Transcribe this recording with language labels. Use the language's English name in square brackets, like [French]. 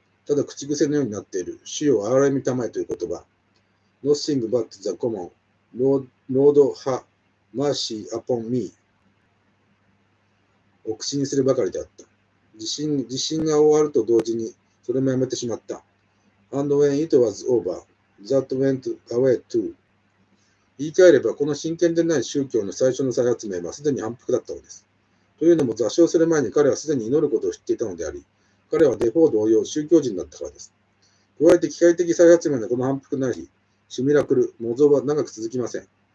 [Japanese] ただ口癖のようになっている主よ憐れみたまえという言葉、 Nothing but the common Lord have mercy upon me を口にするばかりであった。地震が終わると同時にそれもやめてしまった。 [English] And when it was over, that went away too。 [Japanese] 言い換えれば、この真剣でない宗教の最初の再発明はすでに反復だったのです。というのも、座礁する前に彼はすでに祈ることを知っていたのであり、彼はデフォー同様宗教人だったからです。加えて機械的再発明のこの反復ない日、シミラクル、模造は長く続きません。